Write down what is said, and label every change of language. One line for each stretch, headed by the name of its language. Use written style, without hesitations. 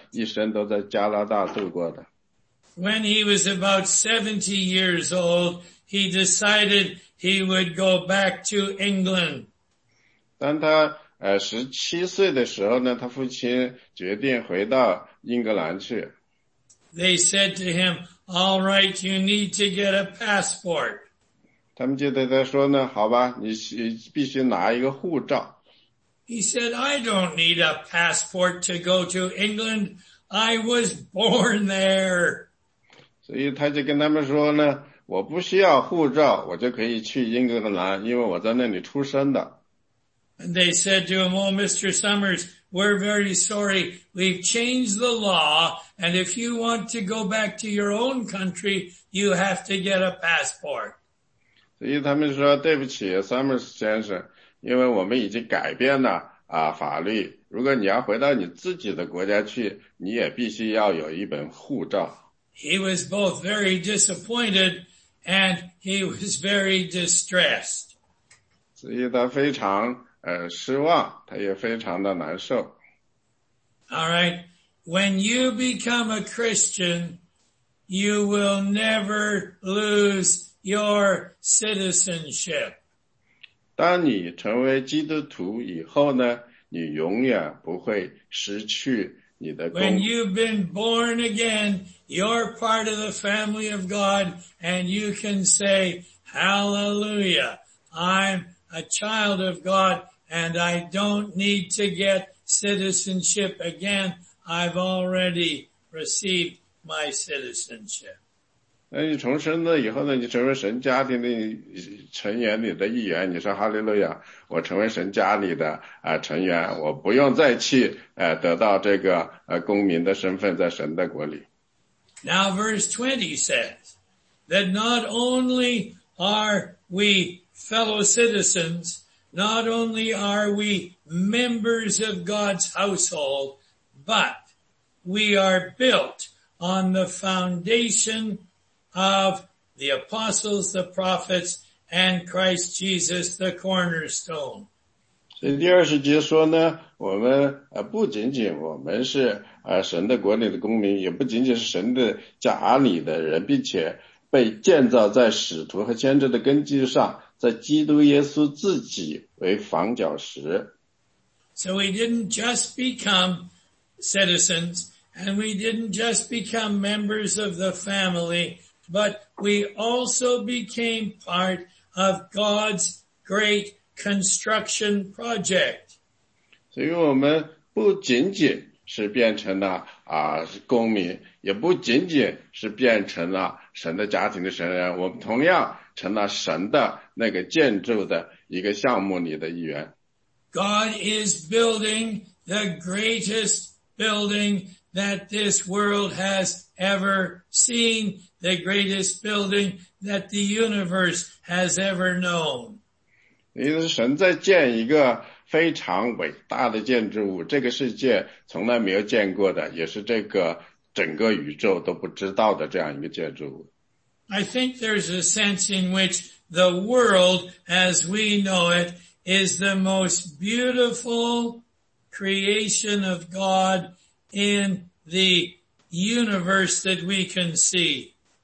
Chinese: 因为他大约是在他父亲两岁的时候来到加拿大，他的整个一生都在加拿大度过的。
English: When he was about 70 years old, he decided he would go back to England.
Chinese: 当他17岁的时候呢，他父亲决定回到英格兰去。
English: They said to him, all right, you need to get a passport.
Chinese: 他们就对他说呢，好吧，你必须拿一个护照。
English: He said, I don't need a passport to go to England. I was born there.
Chinese: 所以他就跟他们说呢，我不需要护照，我就可以去英格兰，因为我在那里出生的。
English: And they said to him, oh, Mr. Summers, we're very sorry. We've changed the law. And if you want to go back to your own country, you have to get a passport.
Chinese: 所以他们说对不起 ,Summers 先生，因为我们已经改变了啊法律。如果你要回到你自己的国家去，你也必须要有一本护照。
English: He was both very disappointed and he was very distressed.
Chinese: 所以他非常失望，他也非常的难受。
English: Alright, when you become a Christian, you will never lose your citizenship.
Chinese: 当你成为基督徒以后呢，你永远不会失去你的公。
English: When you've been born again, you're part of the family of God, and you can say, Hallelujah, I'm a child of God. And I don't need to get citizenship again. I've already received my citizenship.
Chinese: 那你重生了以后呢，你成为神家庭的成员里的一员，你说哈利路亚，我成为神家里的成员，我不用再去得到这个公民的身份在神的国里。
English: Now verse 20 says that not only are we fellow citizens,Not only are we members of God's household, but we are built on the foundation of the apostles, the prophets, and Christ Jesus, the cornerstone.
Chinese: 所以第二十节说呢，我们不仅仅我们是神的国里的公民，也不仅仅是神的家里的人，并且被建造在使徒和先知的根基上。在基督耶稣自己为房角石。
English: So we didn't just become citizens, and we didn't just become members of the family, but we also became part of God's great construction project.
Chinese: 所以我们不仅仅是变成了公民，也不仅仅是变成了神的家庭的成员，我们同样成了神的那个建筑的一个项目里的一员。
English: God is building the greatest building that this world has ever seen, the greatest building that the universe has ever known.
Chinese: 因为神在建一个非常伟大的建筑物，这个世界从来没有见过的，也是这个整个宇宙都不知道的这样一个建筑物。
English: I think there's a sense in which the world as we know it is the most beautiful creation of God in the universe that we can see.